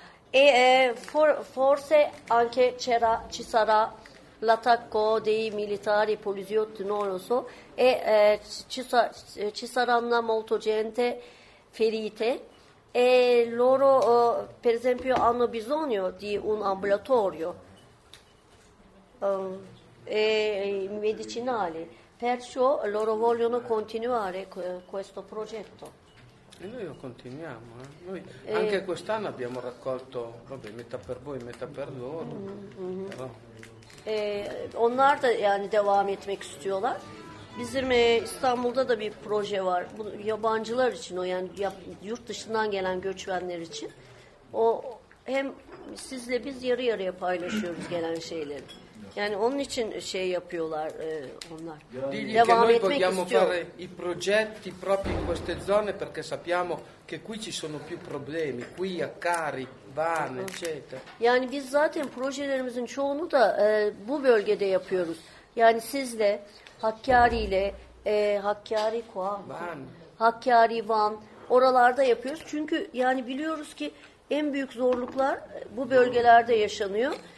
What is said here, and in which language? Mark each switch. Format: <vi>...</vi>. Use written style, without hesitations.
<it>E forse anche ci sarà l'attacco dei militari, poliziotti, non lo so, e ci saranno molta gente ferite e loro, per esempio, hanno bisogno di un ambulatorio e medicinali. Perciò loro vogliono continuare questo progetto. E noi lo continuiamo. Noi anche quest'anno abbiamo raccolto, vabbè, metà per voi, metà per loro, però...</it> <tr>Onlar da yani devam etmek istiyorlar. Bizim İstanbul'da da bir proje var. Bu yabancılar için o yani yurt dışından gelen göçmenler için. O hem sizle biz yarı yarıya paylaşıyoruz gelen şeyleri. Yani onun için şey yapıyorlar onlar.</tr> <it>Digli</it> <tr>devam etmek istiyor.</tr> <it>Noi vogliamo fare i progetti proprio in queste zone perché sappiamo che qui ci sono più problemi, qui a Cari, Van, eccetera.</it> <tr>Yani biz zaten projelerimizin çoğunu da bu bölgede yapıyoruz. Yani sizle Hakkari ile Hakkari Van, Hakkari Van oralarda yapıyoruz. Çünkü yani biliyoruz ki en büyük zorluklar bu bölgelerde yaşanıyor.</tr>